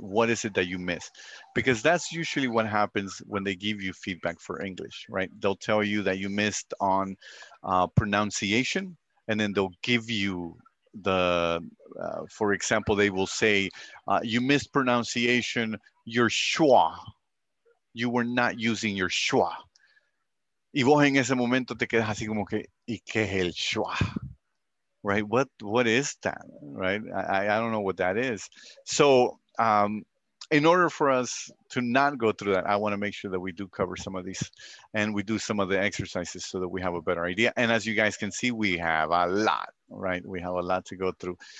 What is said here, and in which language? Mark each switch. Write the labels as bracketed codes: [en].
[en] What is it that you missed? Because that's usually what happens when they give you feedback for English, right? They'll tell you that you missed on pronunciation, and then they'll give you the, for example, they will say, you missed pronunciation, your schwa. You were not using your schwa. [es] Y vos en ese momento te quedas así como que, ¿y qué es el schwa? [en] Right, what is that, right? I don't know what that is. So in order for us to not go through that, I wanna make sure that we do cover some of these and we do some of the exercises so that we have a better idea. And as you guys can see, we have a lot, right? We have a lot to go through.